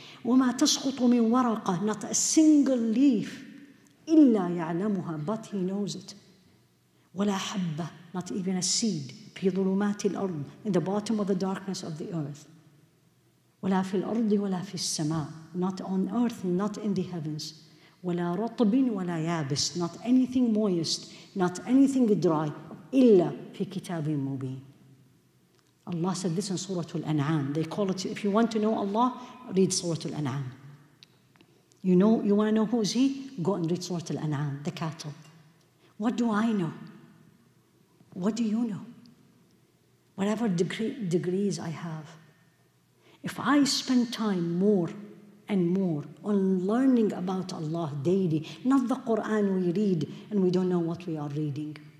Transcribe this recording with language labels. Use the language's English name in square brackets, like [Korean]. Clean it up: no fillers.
[Arabic] وَمَا تَسْقُطُ مِنْ وَرَقَهُ. [English] Not a single leaf. [Arabic] إِلَّا يَعْلَمُهَا. [English] But He knows it. [Arabic] وَلَا حَبَّةٌ. [English] Not even a seed. [Arabic] في ظلمات الأرض, [English] in the bottom of the darkness of the earth. [Arabic] ولا في الأرض ولا في السماء, [English] not on earth, not in the heavens. [Arabic] ولا رطب ولا يابس, [English] not anything moist, not anything dry, [Arabic] إلا في كتاب مبين. [English] Allah said this in Surah Al-An'am. They call it, if you want to know Allah, read Surah Al-An'am. You know, you want to know who is He? Go and read Surah Al-An'am, the cattle. What do I know? What do you know? Whatever degrees I have, if I spend time more and more on learning about Allah daily, not the Quran we read and we don't know what we are reading.